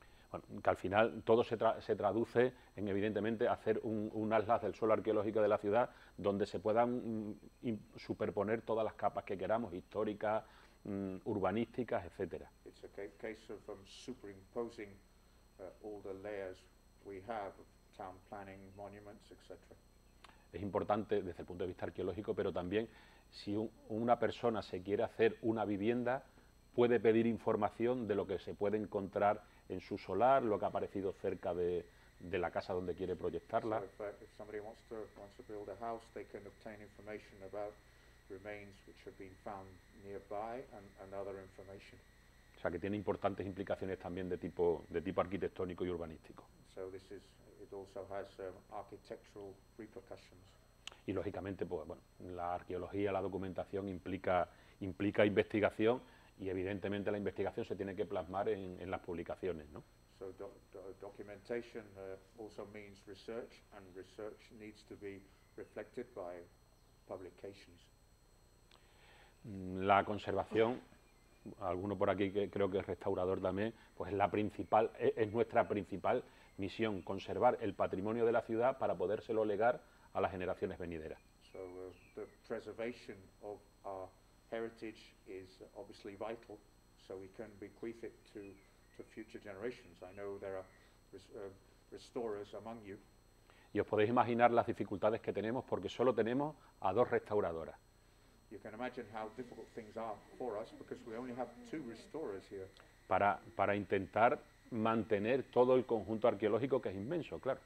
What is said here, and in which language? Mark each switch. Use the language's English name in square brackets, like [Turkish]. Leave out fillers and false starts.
[Spanish] Bueno, que al final todo se traduce en, evidentemente, hacer un atlas del suelo arqueológico de la ciudad donde se puedan superponer todas las capas que queramos, históricas, urbanísticas, etcétera. [English] It's a case of superimposing all the layers we have of town planning, monuments, etc. [Spanish] Es importante desde el punto de vista arqueológico, pero también si una persona se quiere hacer una vivienda, puede pedir información de lo que se puede encontrar en su solar, lo que ha aparecido cerca de la casa donde quiere proyectarla. [English] If somebody wants to build a house, they can obtain information about remains which have been found nearby and other information. [Spanish] O sea, que tiene importantes implicaciones también de tipo arquitectónico y urbanístico. [English] So this is, it also has architectural repercussions. [Spanish] Y lógicamente, pues bueno, la arqueología, la documentación implica investigación, y evidentemente la investigación se tiene que plasmar en las publicaciones, ¿no? [English] So documentation also means research, and research needs to be reflected by publications. [Spanish] La conservación, alguno por aquí que creo que es restaurador también, pues es la principal, es nuestra principal misión, conservar el patrimonio de la ciudad para podérselo legar a las generaciones venideras. [English] So the preservation of our heritage is obviously vital, so we can bequeath it to future generations. I know there are restorers among you. [Spanish] Y os podéis imaginar las dificultades que tenemos porque solo tenemos a dos restauradoras. [English] You can imagine how difficult things are for us because we only have two restorers here. [Spanish] Para intentar mantener todo el conjunto arqueológico, que es inmenso, claro.